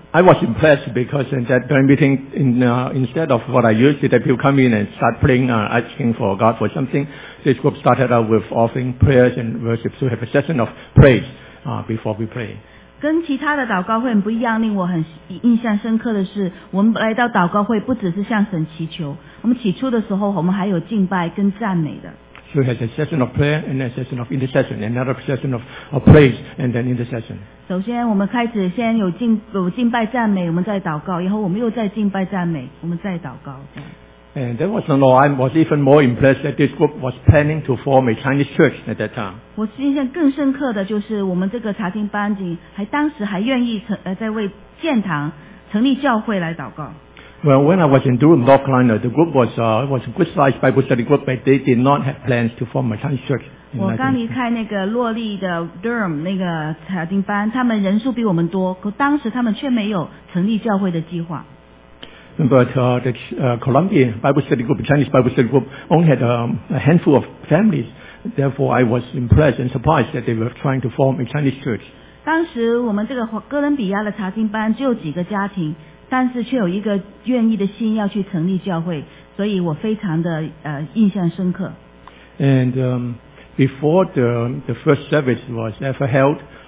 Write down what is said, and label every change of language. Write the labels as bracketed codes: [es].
[en] I was impressed because in that prayer meeting, instead of what I used to, that people come in and start praying, asking for God for something, this group started out with offering prayers and worship, so have a session of praise before we pray. [zh] 跟其他的祷告会很不一样，令我很印象深刻的是，我们来到祷告会不只是向神祈求，我们起初的时候我们还有敬拜跟赞美的。 [en] So it has a session of prayer and a session of intercession, another session of praise and then intercession. [zh] 首先我们开始先有敬拜赞美，我们再祷告，然后我们又再敬拜赞美，我们再祷告。 [en] And that was not all. I was even more impressed that this group was planning to form a Chinese church at that time. [zh] 我印象更深刻的就是我们这个查经班级还当时还愿意在为建堂成立教会来祷告。 [en] Well, when I was in Durham, North Carolina, the group was a good sized Bible study group, but they did not have plans to form a Chinese church. [zh] 我刚离开那个洛利的 Durham 那个查经班，他们人数比我们多，可当时他们却没有成立教会的计划。 [en] But Columbia Bible study group, Chinese Bible study group, only had a handful of families. Therefore, I was impressed and surprised that they were trying to form a Chinese church. [zh] 当时我们这个哥伦比亚的查经班只有几个家庭。但是却有一个愿意的心要去成立教会，所以我非常的印象深刻。 [en] And before the first service was ever held,